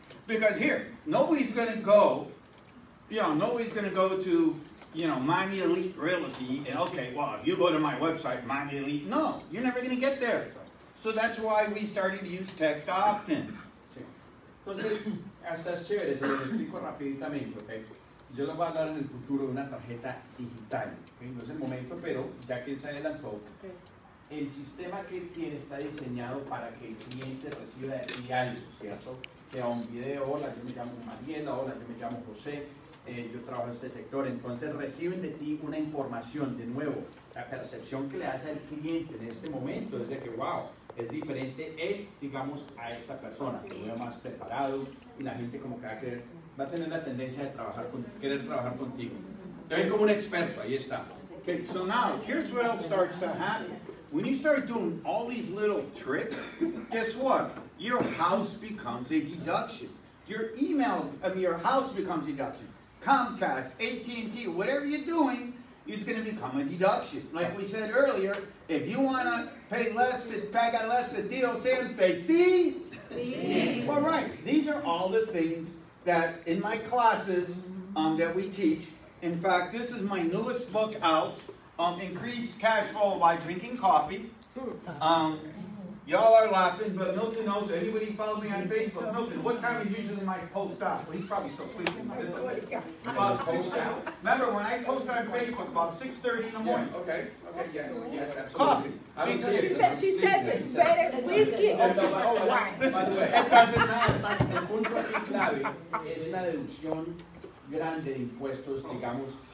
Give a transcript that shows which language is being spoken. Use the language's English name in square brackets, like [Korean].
[English] Because here, nobody's gonna go, you know, nobody's gonna go to, you know, Miami Elite Realty and okay, well, if you go to my website, Miami Elite, no, you're never gonna get there. So that's why we started to use text often. [Spanish] Sí. Entonces, hasta es chévere, te lo explico rapiditamente, okay? Yo les voy a dar en el futuro una tarjeta digital. Okay, no es el momento, pero ya que se adelantó, el sistema que él tiene está diseñado para que el cliente reciba de ti algo, ¿cierto? Sea un video, hola, yo me llamo Mariela, hola, yo me llamo José, yo trabajo en este sector. Entonces reciben de ti una información, de nuevo, la percepción que le hace al cliente en este momento es de que, wow, es diferente él, digamos, a esta persona. Lo veo más preparado y la gente como que va a creer, va a tener la tendencia de trabajar con, querer trabajar contigo. Te ven como un experto, ahí está. [English] Okay, so now, here's what else starts to happen. When you start doing all these little tricks, guess what? Your house becomes a deduction. Your email, your house becomes a deduction. Comcast, AT&T, whatever you're doing, it's going to become a deduction. Like we said earlier, if you want to pay less, to pack out less, the deal, say and say, see? Well, right, these are all the things that in my classes that we teach. In fact, this is my newest book out, Increased Cash Flow by Drinking Coffee. Y'all are laughing, but Milton knows, anybody follow me on Facebook? Milton, what time is usually my post up? Well, he's probably still sleeping. About 6:00. Remember, when I post on Facebook, about 6:30 in the morning. Yeah, okay, yes, coffee. She said it's better whiskey. [Spanish] El punto clave es una deducción grande de impuestos, digamos,